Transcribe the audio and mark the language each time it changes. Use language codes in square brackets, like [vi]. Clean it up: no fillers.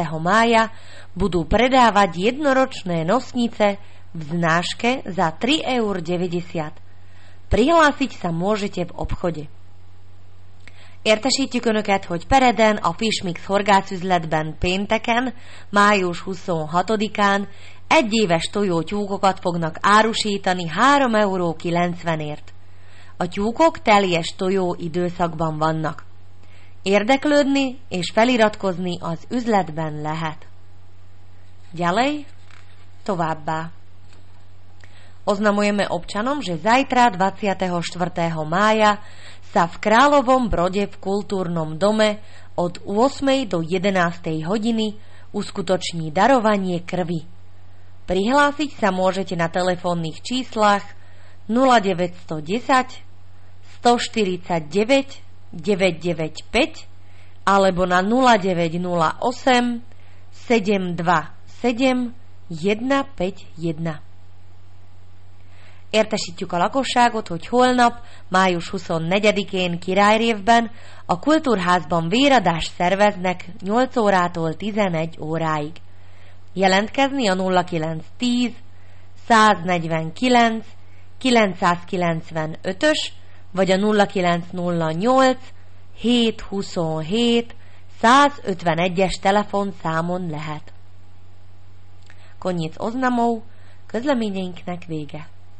[sk] mája budú predávať jednoročné nosnice v znáške za 3,90 eur. Prihlásiť sa môžete v obchode. [hu] Értesítjük Önöket, hogy Pereden a Fishmix horgászüzletben pénteken, május 26-án egyéves tojótyúkokat fognak árusítani 3,90 eurért. A tyúkok teljes tojó időszakban vannak. Érdeklődni és feliratkozni az üzletben lehet. [sk] Ďalej, [hu] továbbá. [sk] Oznamujeme občanom, že zajtra 24. mája sa v Královom Brode v kultúrnom dome od 8. do 11. hodiny uskutoční darovanie krvi. Prihlásiť sa môžete na telefónnych číslach 0910 149 995 alebo na 0908 727 151. [hu] Értesítjük a lakosságot, hogy holnap, május 24-én Királyrévben a Kultúrházban véradást szerveznek 8 órától 11 óráig. Jelentkezni a 0910 149 995-ös vagy a 0908 727 151-es telefonszámon lehet. [sk] Koniec oznamov, [hu] közleményeinknek vége.